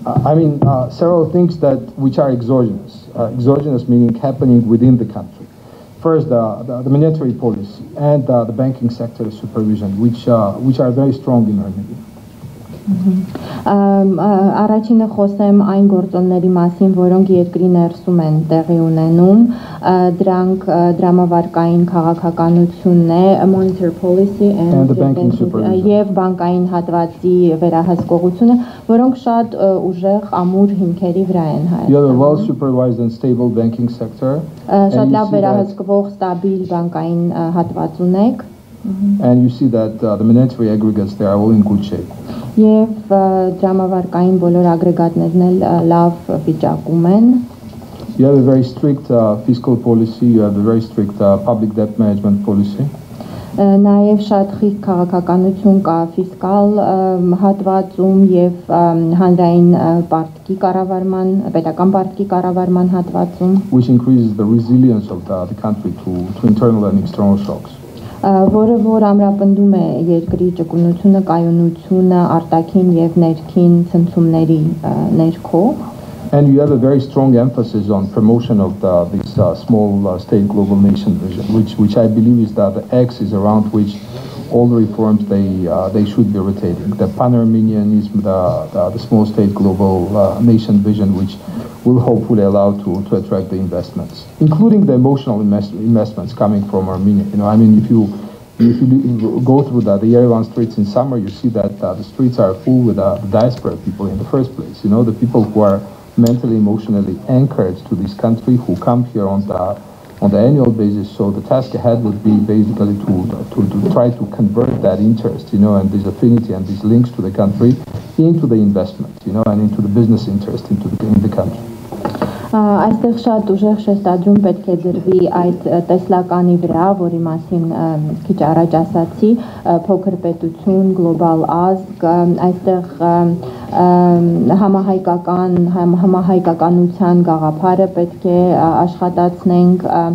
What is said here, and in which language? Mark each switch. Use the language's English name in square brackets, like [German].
[English] I mean, several things that which are exogenous. Exogenous meaning happening within the country. First, the monetary policy and the banking sector supervision, which are very strong in Armenia. [Armenian] Առաջինը խոսեմ այն գործոնների մասին, որոնք երկրի ներսում են տեղի ունենում, դրանք դրամավարկային քաղաքականությունն է, [English] monetary policy and the banking supervision, [Armenian] և բանկային հատվածի վերահսկողությունը, որոնք շատ ուժեղ ամուր հիմքերի վրա են հայտնի։ Շատ լավ վերահսկվող ստաբիլ բանկային հատված ունեք։ [English] And you see that the monetary aggregates there are all in good shape. [Armenian] Եվ դրամավարկային բոլոր ագրեգատներն էլ լավ վիճակում են։ [English] You have a very strict fiscal policy, you have a very strict public debt management policy. [Armenian] նաև շատ խիստ քաղաքականություն կա ֆիսկալ հատվածում եւ հանրային պարտքի կառավարման պետական պարտքի կառավարման հատվածում [English] which increases the resilience of the country to internal and external shocks [Armenian] որը որ ամրապնդում է երկրի ճկունությունը, կայունությունը արտաքին եւ ներքին ցնցումների ներքո [English] And you have a very strong emphasis on promotion of this small state global nation vision, which I believe is that the axis around which all the reforms they should be rotating. The pan-Armenianism, the small state global nation vision, which will hopefully allow to attract the investments, including the emotional investments coming from Armenia. You know, I mean, if you go through the Yerevan streets in summer, you see that the streets are full with diaspora people in the first place. You know, the people who are mentally, emotionally anchored to this country who come here on the annual basis. So the task ahead would be basically to try to convert that interest, you know, and this affinity and these links to the country into the investment, you know, and into the business interest in the country. [Armenian] Այստեղ շատ ուժեղ շեշտադրում պետք է դրվի այդ տեսլականի վրա, որի մասին քիչ առաջ ասացի, փոքր պետություն, գլոբալ ազգ, այստեղ համահայկականության գաղափարը պետք է աշխատացնենք,